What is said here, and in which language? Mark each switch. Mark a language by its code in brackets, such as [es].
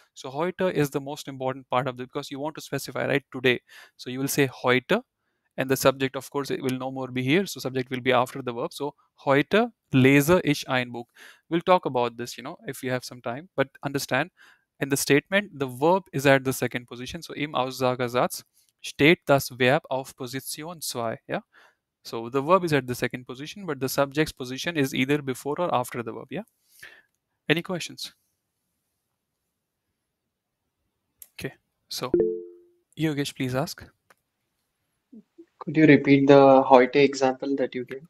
[en] So heute is the most important part of this, because you want to specify, right, today. So you will say heute, and the subject, of course, it will no more be here. So subject will be after the verb. So [de] heute lese ich ein Buch. [en] We'll talk about this, you know, if you have some time. But understand, in the statement, the verb is at the second position. [de] So im Aussagesatz steht das Verb auf Position 2. [en] Yeah. So the verb is at the second position, but the subject's position is either before or after the verb. Yeah. Any questions? Okay. So Yogesh, please ask. Could you repeat the heute example that you gave?